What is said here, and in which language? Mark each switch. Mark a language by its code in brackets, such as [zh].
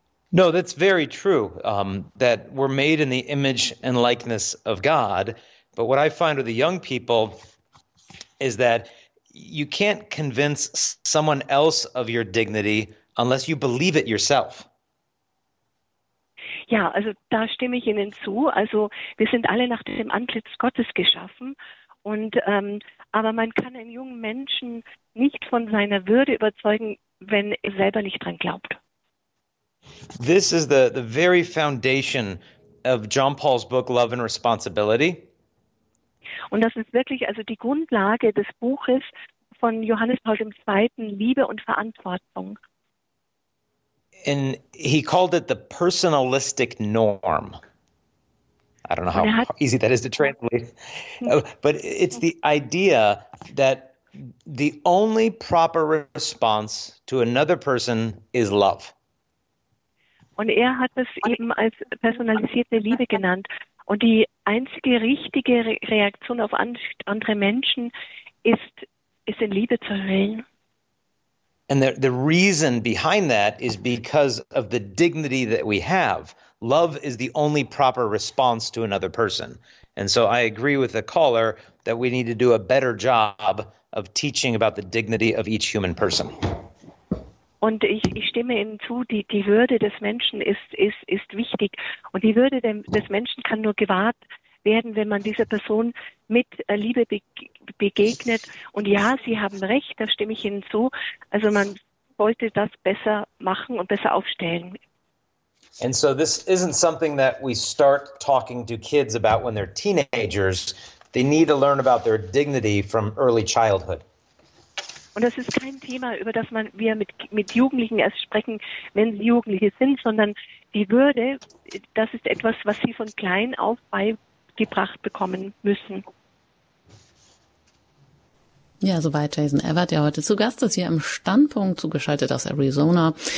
[en] No, that's very true, that we're made in the image and likeness of God. But what I find with the young people is that you can't convince someone else of your dignity unless you believe it yourself. [de] Ja, also da stimme ich Ihnen zu. Also wir sind alle nach dem Antlitz Gottes geschaffen. Und aber man kann einen jungen Menschen nicht von seiner Würde überzeugen, wenn er selber nicht dran glaubt. [en] This is the very foundation of John Paul's book Love and Responsibility. [de] Und das ist wirklich also die Grundlage des Buches von Johannes Paul II, Liebe und Verantwortung. [en] And he called it the personalistic norm. I don't know how easy that is to translate. But it's the idea that the only proper response to another person is love. [de] Und er hat das eben als personalisierte Liebe genannt. Und die einzige richtige Reaktion auf andere Menschen ist in Liebe zu hüllen. [en] And the reason behind that is because of the dignity that we have. Love is the only proper response to another person. And so I agree with the caller that we need to do a better job of teaching about the dignity of each human person. [de] Und ich stimme Ihnen zu, die Würde des Menschen ist wichtig. Und die Würde des Menschen kann nur gewahrt werden, wenn man dieser Person mit Liebe begegnet. Und ja, Sie haben recht, da stimme ich Ihnen zu. Also man sollte das besser machen und besser aufstellen. [en] And so this isn't something that we start talking to kids about when they're teenagers. They need to learn about their dignity from early childhood. [de] Und das ist kein Thema, über das wir mit Jugendlichen erst sprechen, wenn sie Jugendliche sind, sondern die Würde, das ist etwas, was sie von klein auf beigebracht bekommen müssen. Ja, soweit Jason Everett, der heute zu Gast ist, hier im Standpunkt, zugeschaltet aus Arizona.